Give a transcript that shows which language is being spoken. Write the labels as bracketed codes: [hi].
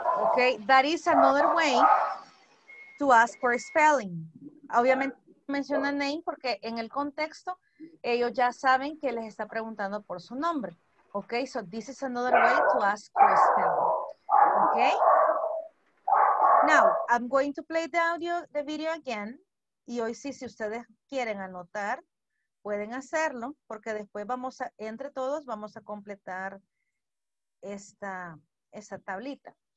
[en] Okay, that is another way to ask for spelling. [es] Obviamente menciona name porque en el contexto ellos ya saben que les está preguntando por su nombre. [en] Okay, so this is another way to ask for spelling. Okay? Now, I'm going to play the video again. [es] Y hoy sí, si ustedes quieren anotar, pueden hacerlo, porque después vamos a, entre todos, vamos a completar esta tablita.